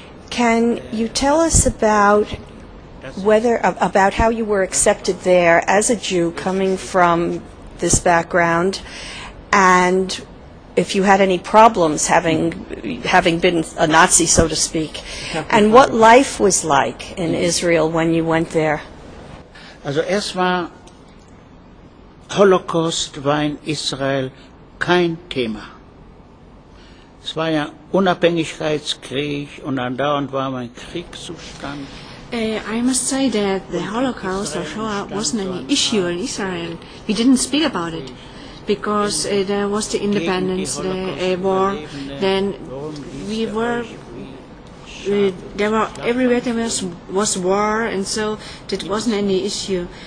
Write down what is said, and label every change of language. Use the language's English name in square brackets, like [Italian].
[English] Can you tell us about how you were accepted there as a Jew coming from this background, and if you had any problems having been a Nazi, so to speak, and what life was like in Israel when you went there. [German] Also erstmal, Holocaust war in Israel kein Thema. Es war ja Unabhängigkeitskrieg und andauernd war mein Kriegszustand. [English] I must say that the Holocaust or Shoah wasn't an issue in Israel. We didn't speak about it because there was the independence, the war. Then we were, there were everywhere there was war, and so that wasn't any issue.